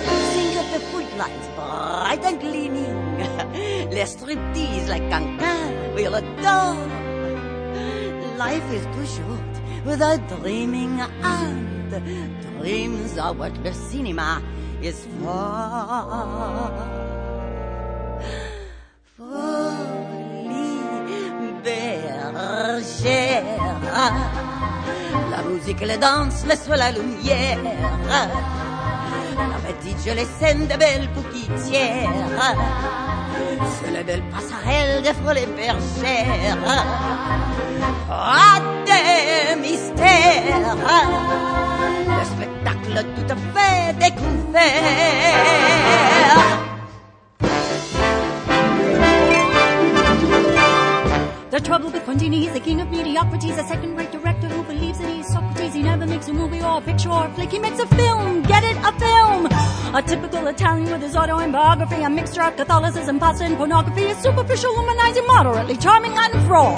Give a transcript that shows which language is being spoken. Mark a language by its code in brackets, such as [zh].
[en] Sing of the footlights bright and gleaming, [fr] les striptease [en] like Cancan will adore. Life is too short without dreaming, and dreams are what the cinema is for. [fr] Folie Bergère, la musique, les danses, les soleils, la lumière, la petite jolie scène de belle bouquetière. C'est la belle passerelle des Folies Bergère. Oh, des mystères, le spectacle tout à fait découvert. [en] The trouble with Contini, he's the king of mediocrity. He's a second-rate director who believes in his Socrates. He never makes a movie or a picture or a flick. He makes a film, get it, a film. A typical Italian with his autobiography, a mixture of Catholicism, pasta, and pornography, a superficial womanizing, moderately charming, and fraud.